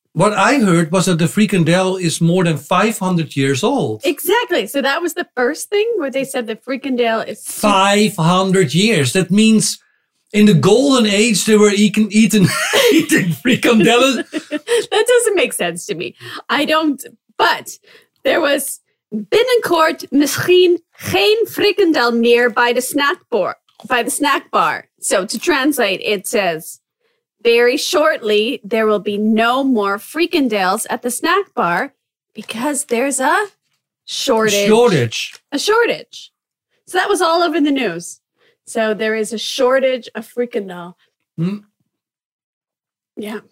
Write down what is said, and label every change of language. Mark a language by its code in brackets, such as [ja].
[en] What I heard was that the Frikandel is more than 500 years old. Exactly. So that was the first thing where they said the Frikandel is... 500 years. That means in the golden age, they were eating Frikandelas. That doesn't make sense to me. I don't... But there was... [nl] Binnenkort misschien geen Frikandel meer [en] by the snack bar. By the snack bar. So to translate, it says, very shortly, there will be no more Frikandels at the snack bar because there's a shortage. So that was all over the news. So there is a shortage of Frikandel. Hmm. Yeah.